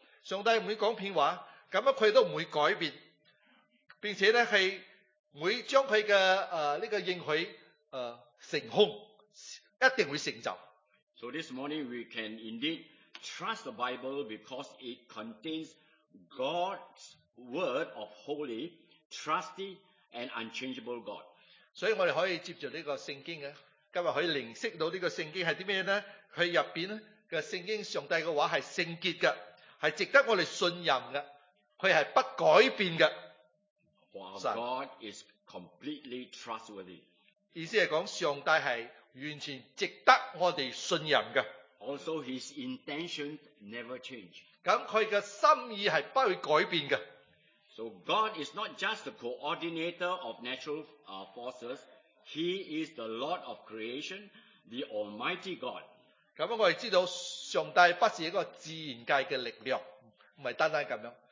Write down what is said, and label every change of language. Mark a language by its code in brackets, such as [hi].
[yue] 上帝唔會講騙話，咁樣佢都唔會改變，並且咧係會將佢嘅呢個應許成空。一定会成就。 [en] So this morning we can indeed trust the Bible because it contains God's word of holy, trusty and unchangeable God. [yue] 所以我哋可以接住呢个圣经嘅，今日可以灵识到呢个圣经系啲咩咧？佢入边嘅圣经上帝嘅话系圣洁嘅，系值得我哋信任嘅，佢系不改变嘅。 [en] Wow, God is completely trustworthy. [yue] 意思系讲上帝系。完全值得我哋信任嘅。 [en] Also, his intention never change. [yue] 咁佢嘅心意系不会改变嘅。 [en] So God is not just the coordinator of natural forces; He is the Lord of creation, the Almighty God. [yue] 咁我哋知道上帝不是一个自然界嘅力量，唔系单单咁样。